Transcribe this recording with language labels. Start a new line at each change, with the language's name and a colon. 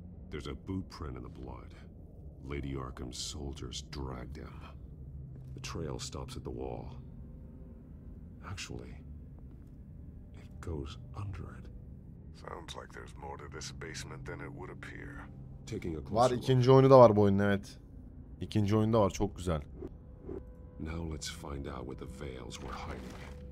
English: There's a boot print in the blood. Lady Arkham's soldiers dragged him. The trail stops at the wall. Actually, it goes under it. Sounds like there's more to this basement than it would appear. Taking a closer look.
Turkish: Var, ikinci oyunu da var bu oyunun, evet. İkinci oyunu da var, çok güzel.
English: Now let's find out where the veils were hiding.